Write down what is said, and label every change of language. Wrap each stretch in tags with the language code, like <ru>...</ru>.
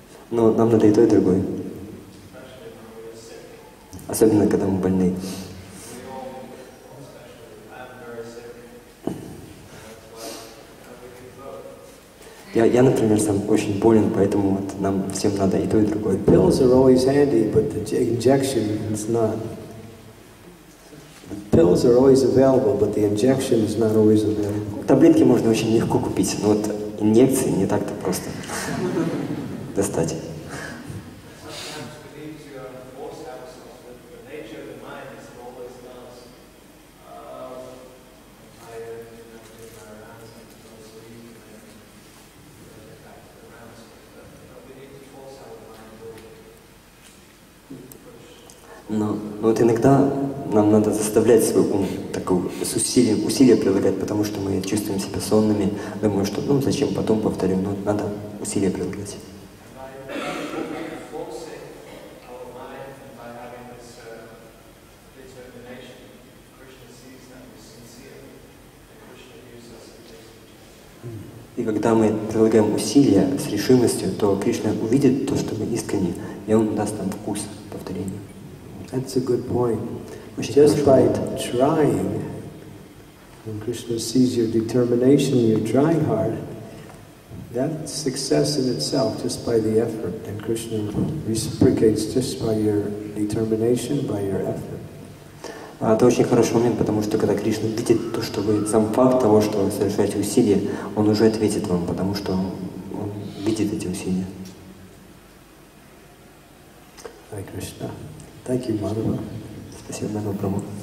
<ru>Но нам надо и то, и другое. Особенно, когда мы больны. Я, например, сам очень болен, поэтому вот нам всем надо и то, и другое.</ru> <en>Pills are always handy, but the injection is not. Pills are always available, but the injection is not always available.</en> <ru>Таблетки можно очень легко купить, но вот инъекции не так-то просто достать. Но вот иногда нам надо заставлять свой ум усилия прилагать, потому что мы чувствуем себя сонными, думаем, что зачем, потом повторим, но надо усилия прилагать. И когда мы прилагаем усилия с решимостью, то Кришна увидит то, что мы искренне, и Он даст нам вкус повторения.</ru> <en>That's a good point. Just by trying, when Krishna sees your determination, you're trying hard, that's success in itself, just by the effort. And Krishna reciprocates just by your determination, by your effort.</en> <ru>Это очень хороший момент, потому что когда Кришна видит то, что вы, сам факт того, что вы совершаете усилия, он уже ответит вам, потому что он видит эти усилия.</ru> <en>Hare Krishna. Thank you, Madhava.</en> <ru>Спасибо, Мадхава Прабху.</ru>